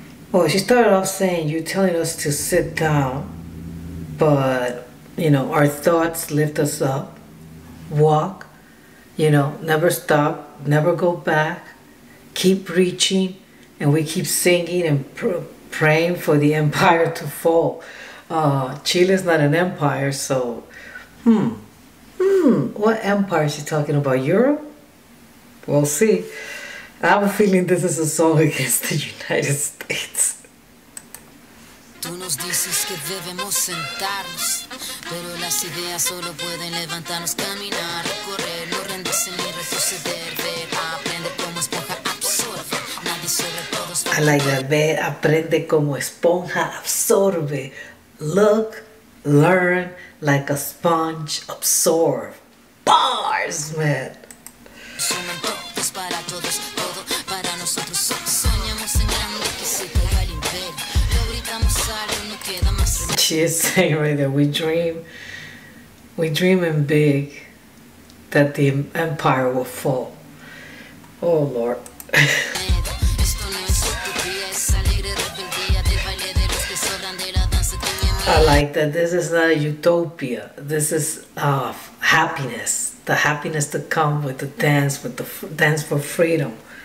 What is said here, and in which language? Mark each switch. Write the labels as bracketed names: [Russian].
[English] Well, she started off saying, you're telling us to sit down, but, you know, our thoughts lift us up, walk, you know, never stop, never go back, keep reaching, and we keep singing and praying for the empire to fall. Chile's not an empire, so, what empire is she talking about? Europe? We'll see. I have a feeling this is a song against the United States. [Spanish] Tú nos dices que debemos sentarnos, pero las ideas solo pueden levantarnos, caminar, correr, no rendirse ni retroceder, ver, aprender como esponja absorbe. Nadie sobre todos. A la idea, ver, aprende como esponja absorbe. [English] Look, learn like a sponge, absorb. Bars, man. [Spanish] Para todos, todo para nosotros. Soñamos en grande que se caiga el imperio. Lo gritamos alto, no queda más. [English] She is saying right there, we dream in big that the empire will fall. Oh Lord. [Spanish] Esto no es utopía, es salir de rebeldía, del baile de los que sobran de la danza. [English] I like that. This is not a utopia. This is happiness. The happiness to come with the dance, with the dance for freedom.